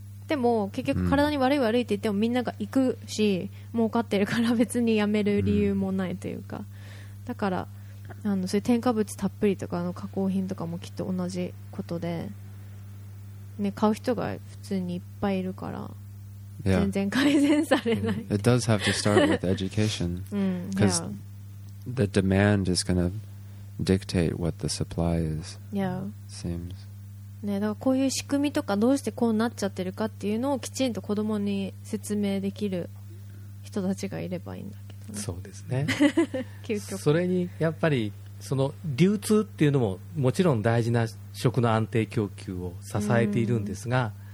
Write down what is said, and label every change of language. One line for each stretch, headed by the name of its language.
Japanese: でも結局体に悪い悪いって言ってもみんなが行くし、儲かってるから別にやめる理由もないというか、だからあのそういう添加物たっぷりとかの加工品とかもきっと同じことで、ね、買う人が普通にいっぱいいるから
English: Yeah. It does have to start with education because the demand is going to dictate what the supply is. Yeah. Seems.
Japanese: ね、だからこういう仕組みとかどうしてこうなっちゃってるかっていうのをきちんと子供に説明できる人たちがいればいいんだけど、ね。そうですね。究極。それにやっぱりその流通っていうのももちろん大事な食の安定供給を支えているんですが。